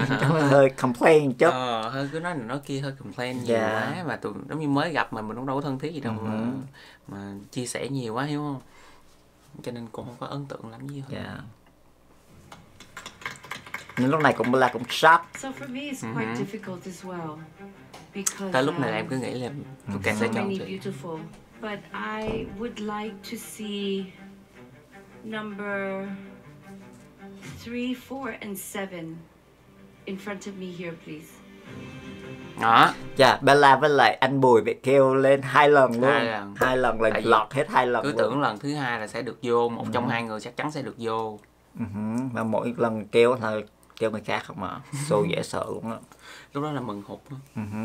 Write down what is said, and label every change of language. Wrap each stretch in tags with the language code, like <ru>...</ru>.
<vi>Hơi complain chút, hơi cứ nói này nói kia hơi complain nhiều quá mà tụi giống như mới gặp mà mình cũng đâu có thân thiết gì đâu mà chia sẻ nhiều quá hiểu không, cho nên cũng không có ấn tượng lắm gì hết. nên lúc này cũng là cũng sắp.</vi> <en>So for me it's quite difficult as well. Because</en> <vi>tại lúc này em cứ nghĩ là càng sẽ chọn chị.</vi> <en>But I would like to see number 3, 4 and 7 in front of me here please.</en> <vi>Đó. Dạ, Bella với lại anh Bùi bị kêu lên hai lần luôn. Hai lần. Hai lần là lọt hết hai lần cứ luôn. Cứ tưởng lần thứ hai là sẽ được vô, một trong hai người chắc chắn sẽ được vô. Mà mỗi lần kêu là kêu người khác không mà. Xô dễ sợ luôn á. Lúc đó là mừng hụt á.</vi>